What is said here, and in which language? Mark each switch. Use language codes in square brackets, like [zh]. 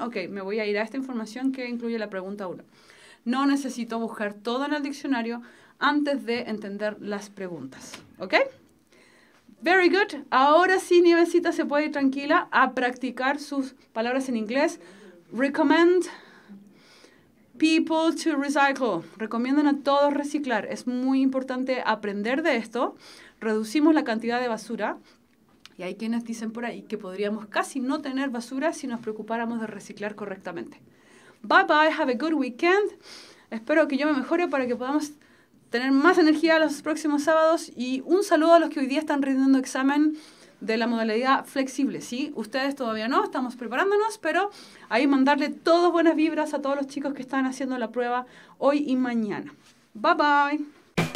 [es] Ok, me voy a ir a esta información que incluye la pregunta 1. No necesito buscar todo en el diccionario antes de entender las preguntas. ¿Ok? [en] Very good. [es] Ahora sí, nievecita, se puede ir tranquila a practicar sus palabras en inglés. [en] Recommend people to recycle. [es] Recomiendan a todos reciclar. Es muy importante aprender de esto. Reducimos la cantidad de basura. Y hay quienes dicen por ahí que podríamos casi no tener basura si nos preocupáramos de reciclar correctamente. [en] Bye bye, have a good weekend. [es] Espero que yo me mejore para que podamos tener más energía los próximos sábados. Y un saludo a los que hoy día están rindiendo examen de la modalidad flexible, ¿sí? Ustedes todavía no, estamos preparándonos, pero ahí mandarle todas buenas vibras a todos los chicos que están haciendo la prueba hoy y mañana. [en] Bye bye.